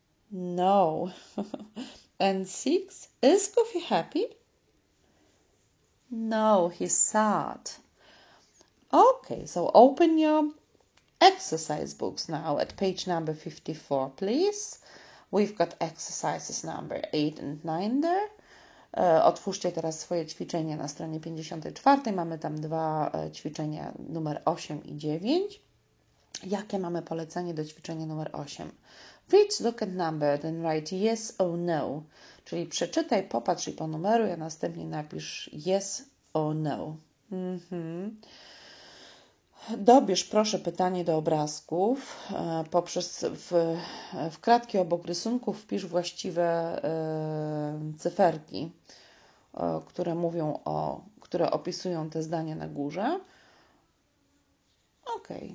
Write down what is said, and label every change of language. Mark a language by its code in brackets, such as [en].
[en] No. And six. Is Goofy happy? No, he's sad. Okay, so open your exercise books now at page number 54, please. We've got exercises number 8 and 9 there. [pl] Otwórzcie teraz swoje ćwiczenie na stronie 54. Mamy tam dwa ćwiczenia numer 8 i 9. Jakie mamy polecenie do ćwiczenia numer 8? [en] Read, look at number, then write yes or no. [pl] Czyli przeczytaj, popatrz i ponumeruj, a następnie napisz [en] yes or no. [pl] Mhm. Dobierz proszę pytanie do obrazków poprzez w kratki obok rysunku wpisz właściwe cyferki, które mówią o, które opisują te zdania na górze. Ok.